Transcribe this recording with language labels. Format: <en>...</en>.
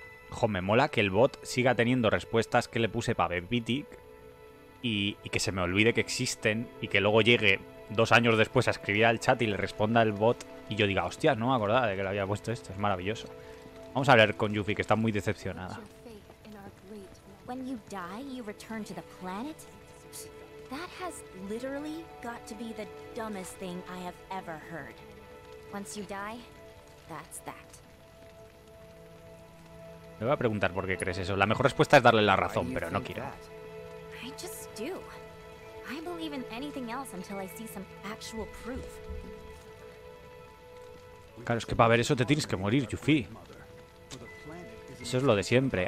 <es>Jo, me mola que el bot siga teniendo respuestas que le puse para Bepitic y que se me olvide que existen y que luego llegue 2 años después a escribir al chat y le responda el bot y yo diga, hostias, no me acordaba de que le había puesto esto. Es maravilloso. Vamos a hablar con Yuffie, que está muy decepcionada.</es> <en>When you die, you return to the planet? That has literally got to be the dumbest thing I have ever heard. Once you die, that's that.</en> <es>Me voy a preguntar por qué crees eso. La mejor respuesta es darle la razón, pero no quiero.</es> <en>I just do. I believe in anything else until I see some actual proof.</en> <es>Claro, es que para ver eso te tienes que morir, Yuffie. Eso es lo de siempre.</es>